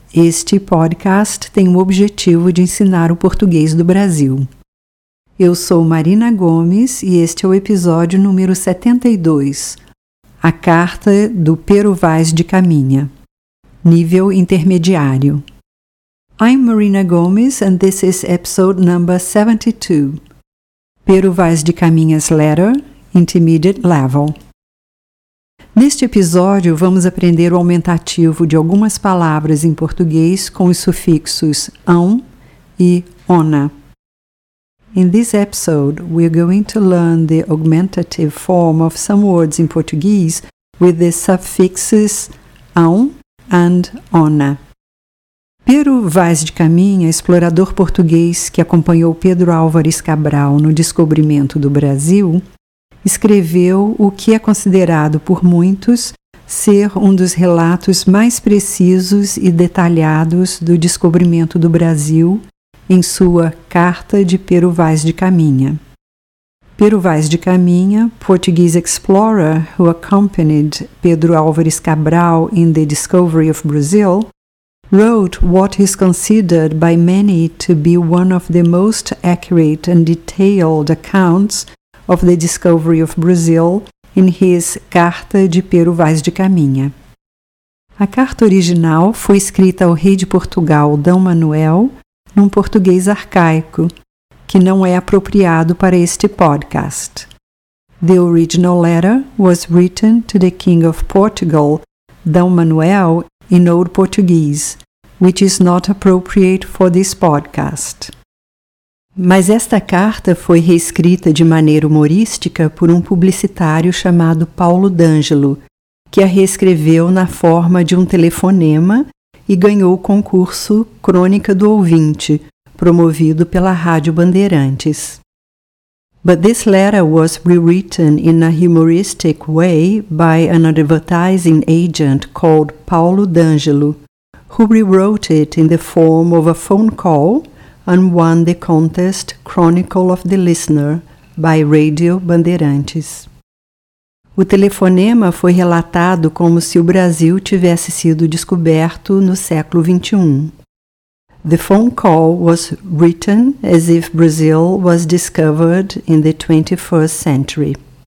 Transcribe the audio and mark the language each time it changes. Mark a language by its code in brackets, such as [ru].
[pt] Este podcast tem o objetivo de ensinar o português do Brasil. Eu sou Marina Gomes e este é o episódio número 72, A Carta do Pero Vaz de Caminha, Nível Intermediário. [en] I'm Marina Gomes and this is episode number 72. Pero Vaz de Caminha's Letter, Intermediate Level. [pt] Neste episódio, vamos aprender o aumentativo de algumas palavras em português com os sufixos "-ão", e "-ona". [en] In this episode, we're going to learn the augmentative form of some words in Portuguese with the suffixes "-ão", and "-ona". [pt] Pero Vaz de Caminha, explorador português que acompanhou Pedro Álvares Cabral no descobrimento do Brasil, escreveu o que é considerado por muitos ser um dos relatos mais precisos e detalhados do descobrimento do Brasil em sua Carta de Pero Vaz de Caminha. [en] Pero Vaz de Caminha, Portuguese explorer who accompanied Pedro Álvares Cabral in the discovery of Brazil, wrote what is considered by many to be one of the most accurate and detailed accounts of the discovery of Brazil in his Carta de Pero Vaz de Caminha. [pt] A carta original foi escrita ao rei de Portugal, D. Manuel, num português arcaico, que não é apropriado para este podcast. [en] The original letter was written to the King of Portugal, D. Manuel, in Old Portuguese, which is not appropriate for this podcast. [pt] Mas esta carta foi reescrita de maneira humorística por um publicitário chamado Paulo D'Ângelo, que a reescreveu na forma de um telefonema e ganhou o concurso Crônica do Ouvinte, promovido pela Rádio Bandeirantes. [en] But this letter was rewritten in a humoristic way by an advertising agent called Paulo D'Ângelo, who rewrote it in the form of a phone call and won the contest Chronicle of the Listener by Radio Bandeirantes. [pt] O telefonema foi relatado como se o Brasil tivesse sido descoberto no século XXI. [en] The phone call was written as if Brazil was discovered in the 21st century.